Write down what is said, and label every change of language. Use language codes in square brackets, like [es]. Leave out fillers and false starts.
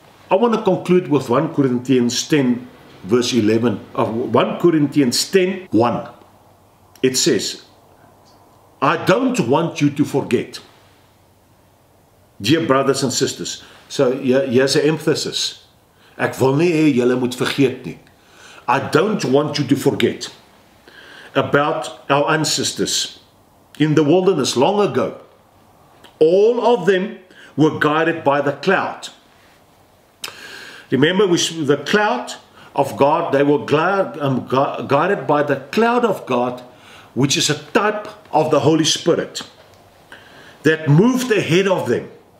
[en] I want to conclude with 1 Corinthians 10 verse 11. 1 Corinthians 10 1. It says, I don't want you to forget, dear brothers and sisters. So here's an emphasis. [af] Ek wil nie hê julle moet vergeet nie. [en] I don't want you to forget about our ancestors in the wilderness long ago. All of them were guided by the cloud. Remember, the cloud of God, they were guided by the cloud of God, which is a type of the Holy Spirit that moved ahead of them.